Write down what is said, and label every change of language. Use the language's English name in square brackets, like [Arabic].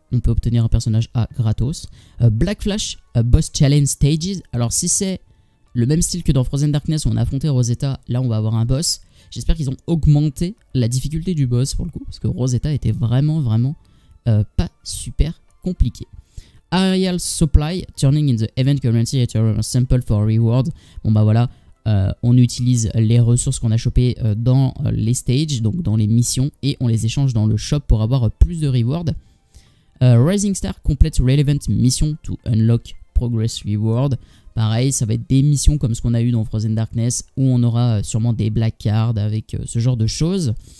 [French] On peut obtenir un personnage A gratos. [English] Black Flash, Boss Challenge Stages. [French] Alors si c'est le même style que dans Frozen Darkness où on a affronté Rosetta, là on va avoir un boss. J'espère qu'ils ont augmenté la difficulté du boss pour le coup. Parce que Rosetta était vraiment, vraiment pas super compliqué. [English] Aerial Supply, Turning in the Event Currency, Ethereum Sample for Reward. [French] Bon bah voilà, on utilise les ressources qu'on a chopées dans les stages, donc dans les missions, et on les échange dans le shop pour avoir plus de rewards. [English] Rising Star, Complete Relevant Mission to Unlock Progress Reward. [French] Pareil, ça va être des missions comme ce qu'on a eu dans Frozen Darkness, où on aura sûrement des black cards avec ce genre de choses.